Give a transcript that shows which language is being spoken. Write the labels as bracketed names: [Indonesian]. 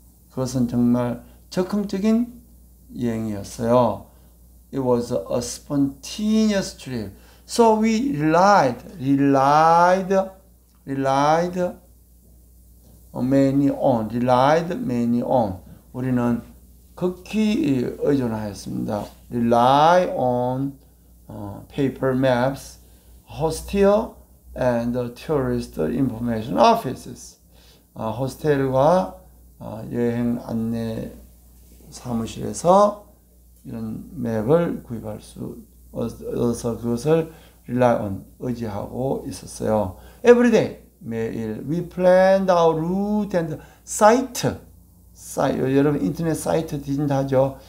[Korean] 그것은 정말 적극적인 여행이었어요. [English] It was a spontaneous trip. So we relied mainly on. [Korean] 우리는 극히 의존하였습니다. [English] Rely on paper maps, hostel and tourist information offices. [Korean] Hostel과 여행 안내 사무실에서 이런 맵을 구입할 수 있어서 그것을 [English] rely on, [Korean] 의지하고 있었어요. [English] Every day, [Korean] 매일, [English] we planned our route and site. [Korean] 여러분 인터넷 사이트 디진다 하죠.